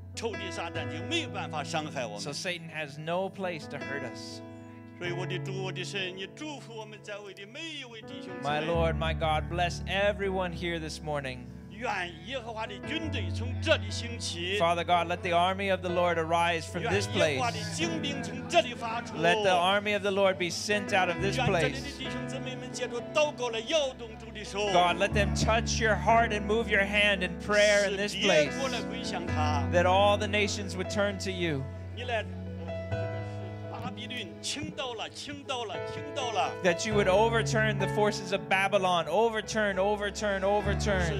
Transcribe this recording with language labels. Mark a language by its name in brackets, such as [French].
[Chinese] 仇敌撒旦就没有办法伤害我们。 [English] So Satan has no place to hurt us. [Chinese] 所以我的主，我的神，你祝福我们在位的每一位弟兄姊妹。 [English] My Lord, my God, bless everyone here this morning. [Chinese] 愿耶和华的军队从这里兴起。 [English] Father God, let the army of the Lord arise from this place. [Chinese] 愿耶和华的精兵从这里发出。 [English] Let the army of the Lord be sent out of this place. [Chinese] 愿这里的弟兄姊妹们借着祷告来摇动主的手。 [English] God, let them touch your heart and move your hand in prayer in this place. [Chinese] 使列国来归向他。 [English] That all the nations would turn to you. [Chinese] 你来，这个是八 [English] That you would overturn the forces of Babylon, overturn, overturn, overturn.